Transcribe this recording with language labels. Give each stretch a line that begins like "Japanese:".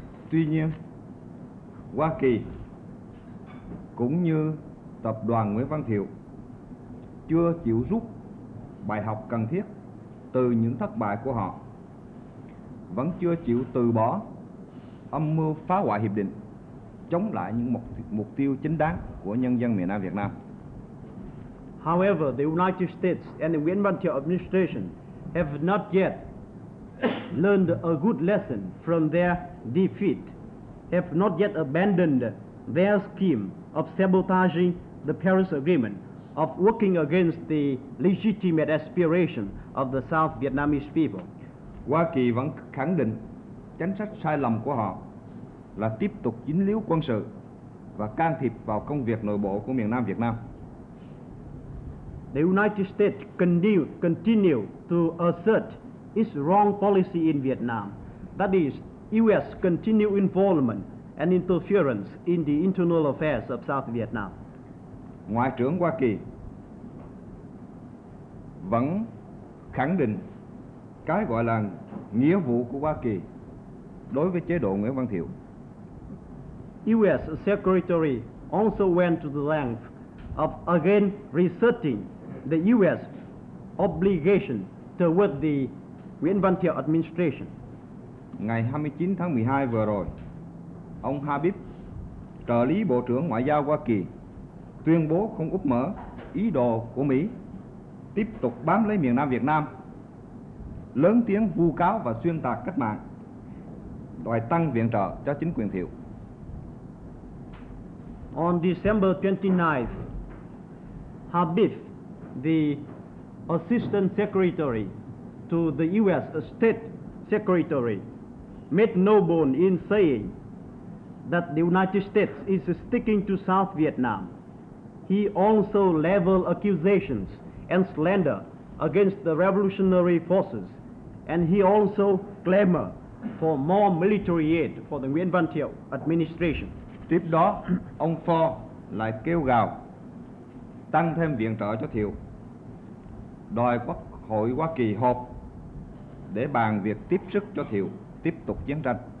Vietnamese: Tuy nhiên, Hoa Kỳ cũng như tập đoàn Nguyễn Văn Thiệu chưa chịu rút bài học cần thiết từ những thất bại của họ, vẫn chưa chịu từ bỏ âm mưu phá hoại hiệp định, chống lại những mục tiêu chính đáng của nhân dân miền Nam Việt Nam.
English: However, the United States and the Nguyễn Văn Thiệu administration have not yet learned a good lesson from their defeat, have not yet abandoned their scheme of sabotaging the Paris Agreement, of working against the legitimate aspiration of the South Vietnamese people.
Vietnamese: Hoa Kỳ vẫn khẳng định chính sách sai lầm của họ là tiếp tục dính líu quân sự và can thiệp vào công việc nội bộ của miền Nam Việt Nam.
English: The United States continue to assert its wrong policy in Vietnam. That is, U.S. continued involvement and interference in the internal affairs of South Vietnam.
Vietnamese: Ngoại trưởng Hoa Kỳ vẫn khẳng định cái gọi là nghĩa vụ của Hoa Kỳ đối với chế độ Nguyễn Văn Thiệu.
English: U.S. Secretary also went to the length of again reasserting the U.S. obligation toward the Nguyễn Văn Thiệu administration.
Vietnamese: Ngày 29 tháng 12 vừa rồi, ông Habib, trợ lý Bộ trưởng Ngoại giao Hoa Kỳ, tuyên bố không úp mở ý đồ của Mỹ tiếp tục bám lấy miền Nam Việt Nam, lớn tiếng vu cáo và xuyên tạc cách mạng, đòi tăng viện trợ cho chính quyền Thiệu.
English: On December 29th, Habib, the Assistant Secretary to the U.S. State Secretary, made no bones in saying that the United States is sticking to South Vietnam. He also leveled accusations and slander against the revolutionary forces, and he also clamored for more military aid for the Nguyễn Văn Thiệu administration.
Vietnamese: Tiếp đó, ông Ford lại kêu gào tăng thêm viện trợ cho Thiệu, đòi Quốc hội Hoa Kỳ họp để bàn việc tiếp sức cho Thiệu tiếp tục chiến tranh.